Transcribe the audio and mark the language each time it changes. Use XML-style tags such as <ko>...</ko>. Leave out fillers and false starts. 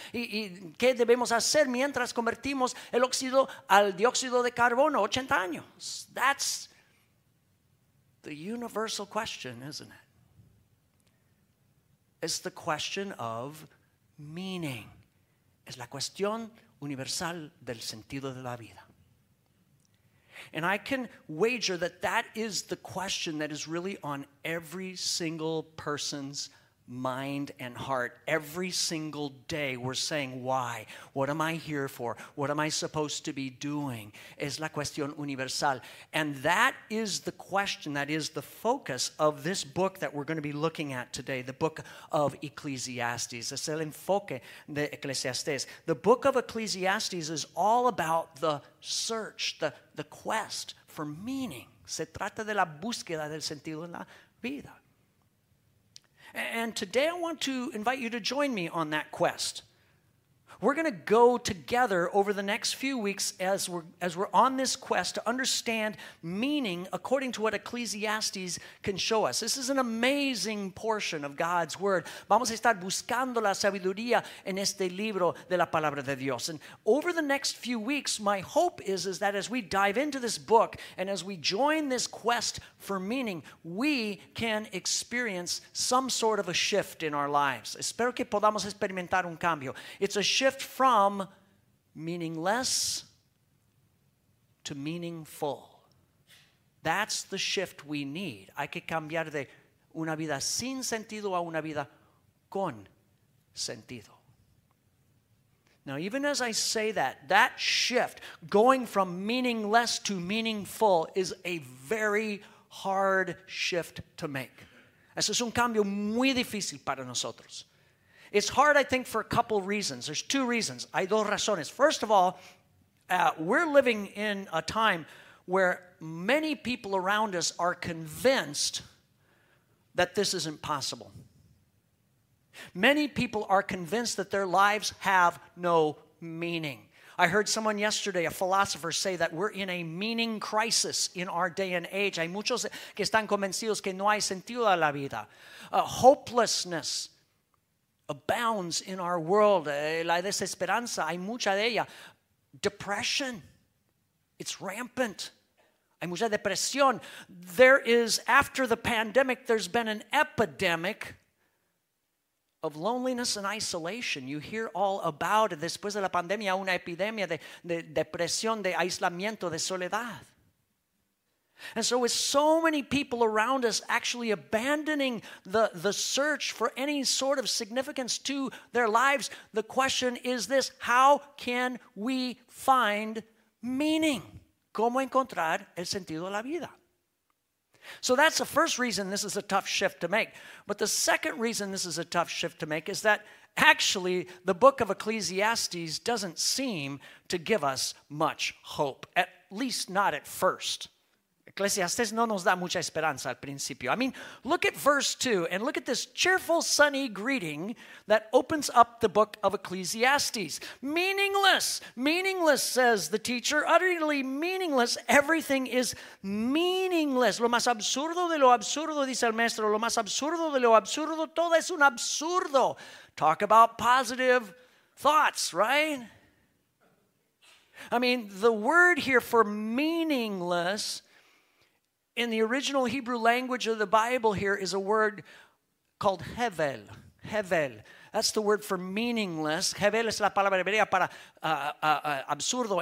<es>¿Y qué debemos hacer mientras convertimos el óxido al dióxido de carbono 80 años?</es> <en>That's the universal question, isn't it? It's the question of meaning.</en> <es>Es la cuestión universal del sentido de la vida.</es> <en>And I can wager that that is the question that is really on every single person's mind and heart. Every single day we're saying, why? What am I here for? What am I supposed to be doing?</en> <es>Es la cuestión universal.</es> <en>And that is the question that is the focus of this book that we're going to be looking at today, the book of Ecclesiastes.</en> <es>Es el enfoque de Ecclesiastes.</es> <en>The book of Ecclesiastes is all about the search, the quest for meaning.</en> <es>Se trata de la búsqueda del sentido en la vida.</es> <en>And today I want to invite you to join me on that quest. We're going to go together over the next few weeks as we're on this quest to understand meaning according to what Ecclesiastes can show us. This is an amazing portion of God's word.</en> <es>Vamos a estar buscando la sabiduría en este libro de la palabra de Dios.</es> <en>And over the next few weeks, my hope is that as we dive into this book and as we join this quest for meaning, we can experience some sort of a shift in our lives.</en> <es>Espero que podamos experimentar un cambio.</es> <en>It's a shift from meaningless to meaningful. That's the shift we need.</en> <es>Hay que cambiar de una vida sin sentido a una vida con sentido.</es> <en>Now, even as I say that, that shift going from meaningless to meaningful is a very hard shift to make.</en> <es>Eso es un cambio muy difícil para nosotros.</es> <en>It's hard, I think, for a couple reasons. There's two reasons.</en> <es>Hay dos razones.</es> <en>First of all, we're living in a time where many people around us are convinced that this isn't possible. Many people are convinced that their lives have no meaning. I heard someone yesterday, a philosopher, say that we're in a meaning crisis in our day and age.</en> <es>Hay muchos que están convencidos que no hay sentido a la vida.</es> <en>Hopelessness abounds in our world.</en> <es>La desesperanza, hay mucha de ella.</es> <en>Depression, it's rampant.</en> <es>Hay mucha depresión.</es> <en>There is, after the pandemic, there's been an epidemic of loneliness and isolation. You hear all about it.</en> <es>Después de la pandemia, una epidemia de depresión, de aislamiento, de soledad.</es> <en>And so with so many people around us actually abandoning the search for any sort of significance to their lives, the question is this: how can we find meaning?</en> <es>¿Cómo encontrar el sentido de la vida?</es> <en>So that's the first reason this is a tough shift to make. But the second reason this is a tough shift to make is that actually the book of Ecclesiastes doesn't seem to give us much hope, at least not at first.</en> <es>Ecclesiastes no nos da mucha esperanza al principio.</es> <en>I mean, look at verse 2 and look at this cheerful, sunny greeting that opens up the book of Ecclesiastes. Meaningless, meaningless, says the teacher, utterly meaningless. Everything is meaningless.</en> <es>Lo más absurdo de lo absurdo, dice el maestro. Lo más absurdo de lo absurdo, todo es un absurdo.</es> <en>Talk about positive thoughts, right? I mean, the word here for meaningless in the original Hebrew language of the Bible here is a word called hevel.</en> <es>Hevel.</es> <en>That's the word for meaningless.</en> <es>Hevel es la palabra hebrea para absurdo.</es>